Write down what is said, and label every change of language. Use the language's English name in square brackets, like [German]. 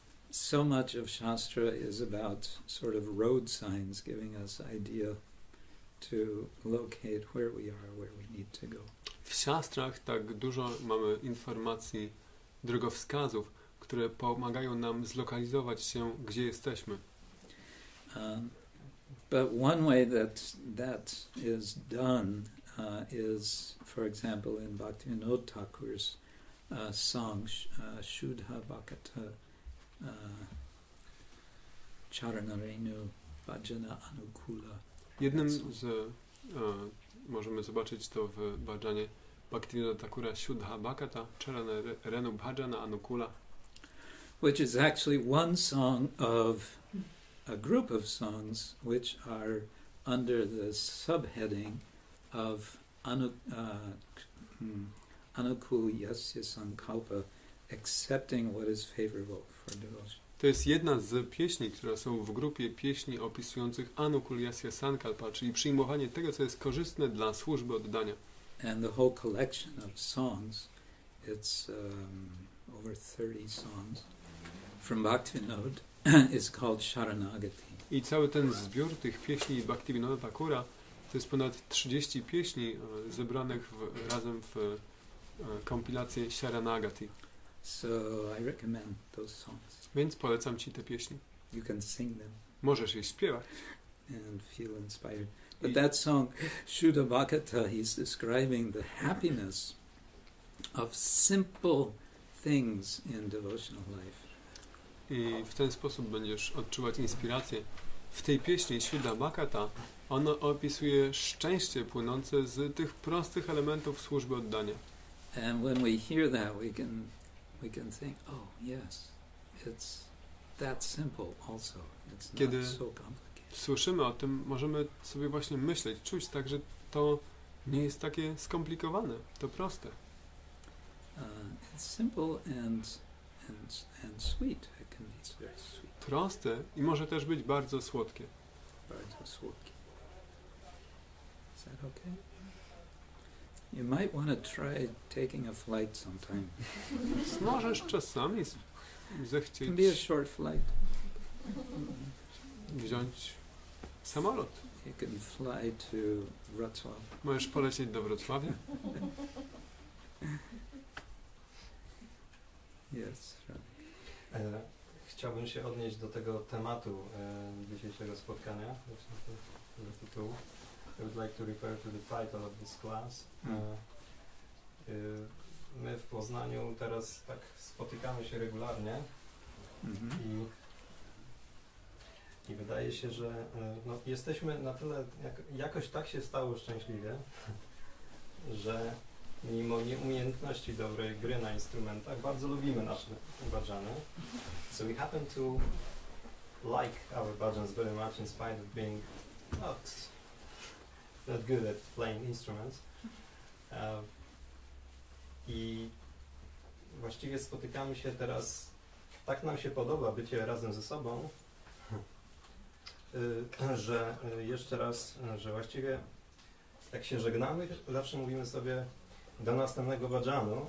[English] So much of Shastra is about sort of road signs giving us idea to locate where we are, where we need to go. [Polish] W Shastrach tak dużo mamy informacji, drogowskazów, które pomagają nam zlokalizować się, gdzie jesteśmy. [English] But one way that is done is, for example, in Bhaktivinoda Thakur's song, Shuddha Bhakata Charanarenu Bhajana Anukula. [Polish] Jednym z, możemy zobaczyć to w bhajanie Bhaktivinoda Thakura, Shuddha Bhakata Charanarenu Bhajana Anukula. [English] Which is actually one song of a group of songs which are under the subheading of anukul yasya sankalpa, accepting what is favorable for devotion. [Polish] To jest jedna z pieśni, które są w grupie pieśni opisujących anukul yasya sankalpa, czyli przyjmowanie tego, co jest korzystne dla służby oddania. [English] And the whole collection of songs, it's over 30 songs. From Bhaktivinoda is called Sharanagati. [Polish] I cały ten zbiór tych pieśni Bhaktivinoda Thakura to jest ponad 30 pieśni zebranych razem w kompilację Sharanagati. [English] So I recommend those songs. [Polish] Więc polecam ci te pieśni. [English] You can sing them. [Polish] Możesz je śpiewać. [English] And feel inspired. But that song, Shuddha Bhakata, he's describing the happiness of simple things in devotional life. [Polish] I w ten sposób będziesz odczuwać inspirację. W tej pieśni Shuddha Bhakata ono opisuje szczęście płynące z tych prostych elementów służby oddania. [English] And when we hear that, we can think, oh yes, it's that simple also. It's not [Polish] kiedy [English] so complicated. [Polish] Słyszymy o tym, możemy sobie właśnie myśleć, czuć tak, że to nie jest takie skomplikowane, to proste. [English] It's simple and sweet. [Polish] Proste i może też być bardzo słodkie. Bardzo słodkie. [English] Is that okay? You might want to try taking a flight sometime. [Polish] Możesz czasami zechcieć. [English] Can be a short flight. [Polish] Wziąć samolot. [English] You can fly to Wrocław. [Polish] Możesz polecieć do Wrocławia. [English] Yes, right. [Polish] Chciałbym się odnieść do tego tematu dzisiejszego spotkania, do tytułu. [English] I would like to refer to the title of this class. [Polish] My w Poznaniu teraz tak spotykamy się regularnie i wydaje się, że no, jesteśmy na tyle, jakoś tak się stało szczęśliwie, że mimo nieumiejętności dobrej gry na instrumentach, bardzo lubimy nasze bhajany. [English] So we happen to like our bhajans very much in spite of being not that good at playing instruments. [Polish] I właściwie spotykamy się teraz, tak nam się podoba bycie razem ze sobą, że jeszcze raz, że właściwie jak się żegnamy, zawsze mówimy sobie do następnego bhajanu.